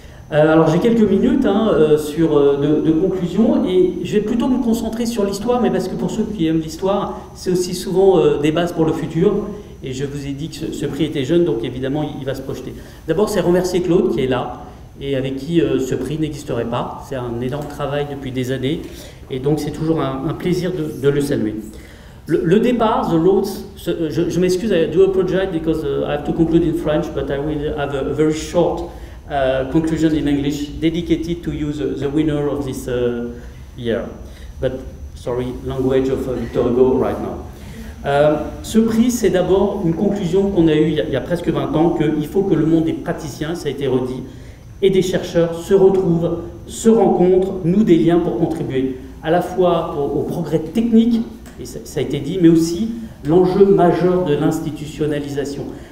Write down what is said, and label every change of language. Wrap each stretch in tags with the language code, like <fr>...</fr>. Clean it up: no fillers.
<fr>Alors j'ai quelques minutes de conclusion, et je vais plutôt me concentrer sur l'histoire, mais parce que pour ceux qui aiment l'histoire, c'est aussi souvent des bases pour le futur, et je vous ai dit que ce prix était jeune, donc évidemment il va se projeter. D'abord c'est remercier Claude qui est là, et avec qui ce prix n'existerait pas, c'est un énorme travail depuis des années, et donc c'est toujours un plaisir de le saluer. Le départ,</fr> <en>The Roots,</en> <fr>je m'excuse,</fr> <en>I do apologize because I have to conclude in French, but I will have a very short conclusion in English, dedicated to you, the winner of this year. But sorry, language of Victor Hugo right now.</en> <fr>Ce prix, c'est d'abord une conclusion qu'on a eue il y a presque 20 ans, qu'il faut que le monde des praticiens, ça a été redit, et des chercheurs se retrouvent, se rencontrent, nouent des liens pour contribuer à la fois au progrès technique, et ça a été dit, mais aussi l'enjeu majeur de l'institutionnalisation.</fr>